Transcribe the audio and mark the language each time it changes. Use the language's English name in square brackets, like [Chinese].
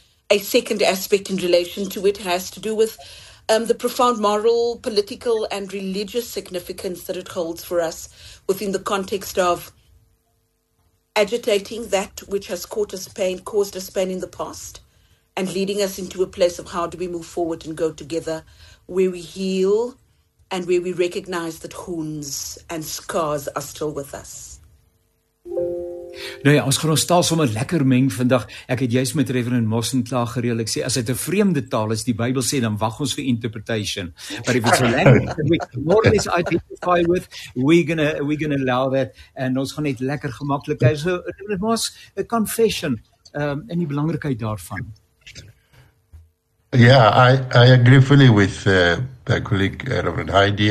[English] A second aspect in relation to it has to do with the profound moral, political, and religious significance that it holds for us within the context of agitating that which has caused us pain in the past and leading us into a place of how do we move forward and go together, where we heal and where we recognize that wounds and scars are still with us. [Afrikaans] Nou ja, ons gaan ons taal sommer lekker meng vandag. Ek het juist met Reverend Mossen klaar gereel. Ek sê, as dit 'n vreemde taal is, die Bybel sê, dan wag ons vir interpretation. [English] But if it's a language we can more or less identify with, we're gonna allow that. [Afrikaans] En ons gaan net lekker gemaklik. So, Reverend Moss, [English] a confession, [Afrikaans] en die belangrikheid daarvan. [English] Yeah, I agree fully with my colleague Reverend Heidi.